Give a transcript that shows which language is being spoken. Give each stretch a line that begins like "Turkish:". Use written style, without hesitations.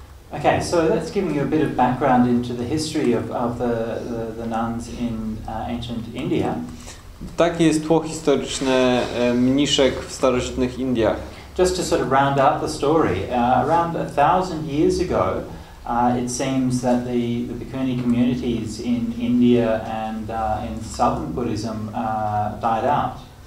English: Okay, so that's giving you a bit of background into the history of the nuns in ancient India.
Polish: Takie jest tło historyczne mniszek w starożytnych Indiach.
English: Just to sort of round out the story, around 1,000 years ago, it seems that the bhikkhuni communities in India and in southern Buddhism died out.